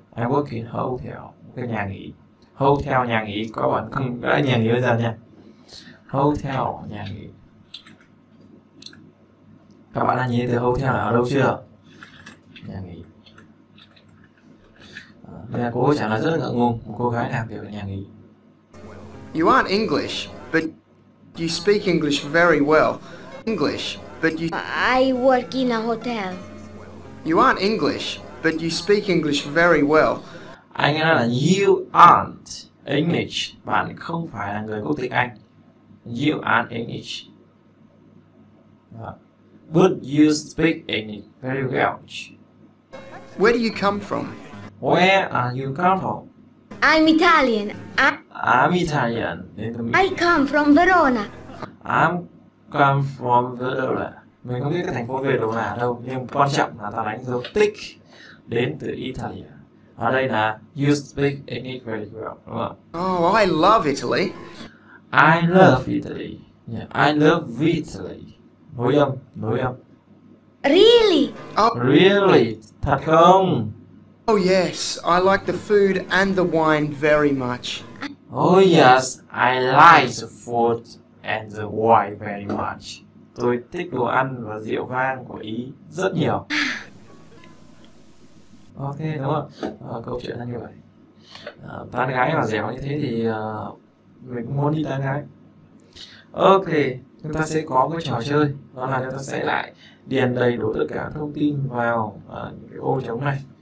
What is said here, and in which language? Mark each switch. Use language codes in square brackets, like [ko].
[vi] I work in a hotel. Cái nhà nghỉ. Hotel, nhà nghỉ. Có bạn không? Đã nhà nghỉ bây giờ nha. Hotel, nhà nghỉ. Các bạn đã nhìn thấy từ hotel ở đâu chưa? Nhà nghỉ. Nhà cô chẳng là rất ngượng ngùng. Một cô gái làm việc ở nhà nghỉ. [en] You aren't English, but you speak English very well. English, but you... I work in a hotel. You aren't English, but you speak English very well. [vi] Anh nói là you aren't English. Bạn không phải là người quốc tịch Anh. [en] You aren't English. But you speak English very well. Where do you come from? Where are you come from? I'm Italian. I'm Italian. I come from Verona. I'm come from Verona. [vi] Mình không biết cái thành phố Verona ở đâu, nhưng quan trọng là ta đánh dấu tích đến từ Italy. Ở đây là you speak English very well, đúng không? [en] Oh, I love Italy. I love Italy. Yeah, I love Italy. Nối âm. Really? Oh. Really? Thật không? Oh yes, I like the food and the wine very much. Oh yes, I like the food and the wine very much. [vi] Tôi thích đồ ăn và rượu vang của Ý rất nhiều. Ok, đúng không? Câu chuyện là như vậy. Tán gái mà dẻo như thế thì mình cũng muốn đi tán gái. Ok, chúng ta sẽ có cái trò chơi. Đó là chúng ta sẽ lại điền đầy đủ tất cả thông tin vào cái ô trống này.